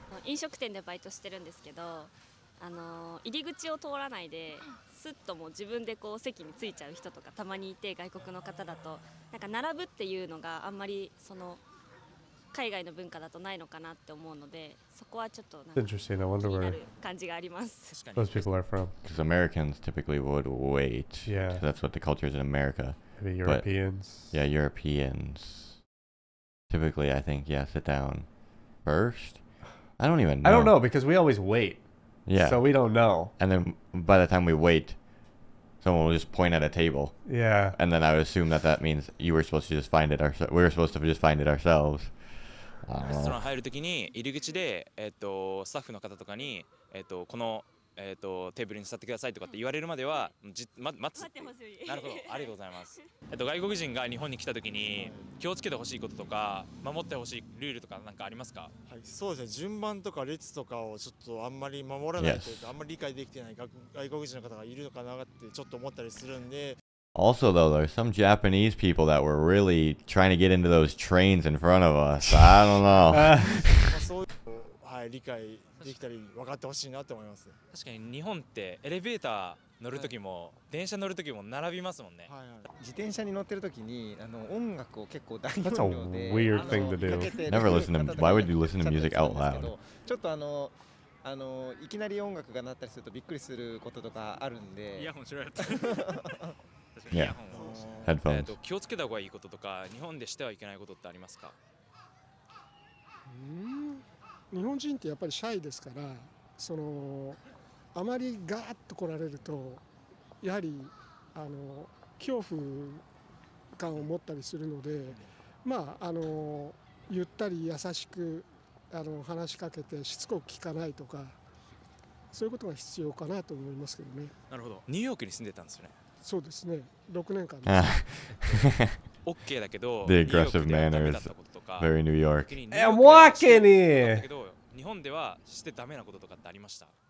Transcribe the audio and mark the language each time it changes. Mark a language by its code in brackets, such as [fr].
[ja] 飲食店でバイトしてるんですけど、入り口を通らないですっともう自分でこう席に着いちゃう人とかたまにいて、外国の方だとなんか並ぶっていうのがあんまりその海外の文化だとないのかなって思うので、そこはちょっとなんか気になる感じがあります。確かに。 [en] Those people are from because Americans typically would wait. Yeah, that's what the culture is in America. Maybe Europeans. But, yeah, Europeans. Typically, I think yeah, sit down first. I don't even know. I don't know because we always wait. Yeah. So we don't know. And then by the time we wait, someone will just point at a table. Yeah. And then I would assume that that means you were supposed to just find it ourselves. We were supposed to just find it ourselves. [ja] レストラン入るときに入り口で、スタッフの方とかに、この、テーブルに座ってくださいとかって言われるまでは、待つ。待ってほしい。なるほど、ありがとうございます。外国人が日本に来たときに気をつけてほしいこととか守ってほしいルールとかなんかありますか？はい、そうですね。順番とか列とかをちょっとあんまり守らないというか、 [en] yes. [ja] あんまり理解できてない外国人の方がいるのかなってちょっと思ったりするんで。 [en] Also, though, there's some Japanese people that were really trying to get into those trains in front of us. I don't know. [ja] そういうのを、はい、理解できたり分かってほしいなと思います。確かに日本ってエレベーター乗るときも、はい、電車乗るときも並びますもんね。はいはい、自転車に乗ってるときに音楽を結構大音量で。 [en] That's a weird thing to do. Never listen to. Why would you listen to music out loud? [ja] ちょっといきなり音楽が鳴ったりするとびっくりすることとかあるんで。いや、面白かった。 [en] Yeah, headphones. [ja] 気をつけた方がいいこととか、日本でしてはいけないことってありますか？日本人ってやっぱりシャイですから、そのあまりガーッと来られると、やはり恐怖感を持ったりするので、まあゆったり優しく話しかけて、しつこく聞かないとか、そういうことが必要かなと思いますけどね。なるほど。ニューヨークに住んでたんですよね。そうですね、6年間です。OK だけど、 [en] The aggressive manners, very New York. I'm walking here! [ja] 日本ではしてダメなこととかってありました？